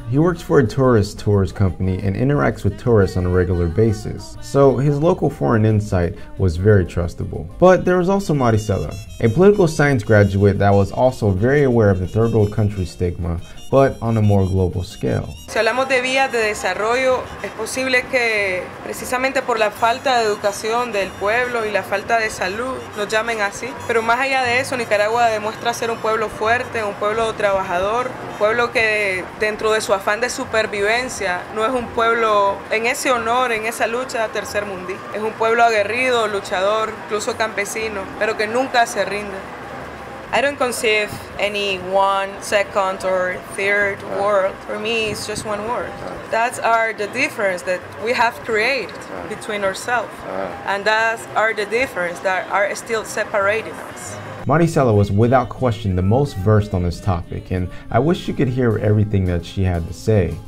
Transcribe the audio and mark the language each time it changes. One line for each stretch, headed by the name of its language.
English: He works for a tourist company and interacts with tourists on a regular basis. So his local foreign insight was very trustable. But there was also Maricela, a political science graduate that was also very aware of the third world country stigma, but on a more global scale.
Spanish: Si hablamos de vías de desarrollo, es posible que precisamente por la falta de educación del pueblo y la falta de salud nos llamen así. Pero más allá de eso, Nicaragua demuestra ser un pueblo fuerte, un pueblo trabajador, un pueblo que dentro de su afán de supervivencia no es un pueblo en ese honor, en esa lucha tercer mundial. Es un pueblo aguerrido, luchador, incluso campesino, pero que nunca se rinde.
English: I don't conceive any one, second, or third world. For me, it's just one world. That's the difference that we have created between ourselves. And that's the difference that are still separating us. Maricela was without question the most versed on this topic, and I wish you could hear everything that she had to say.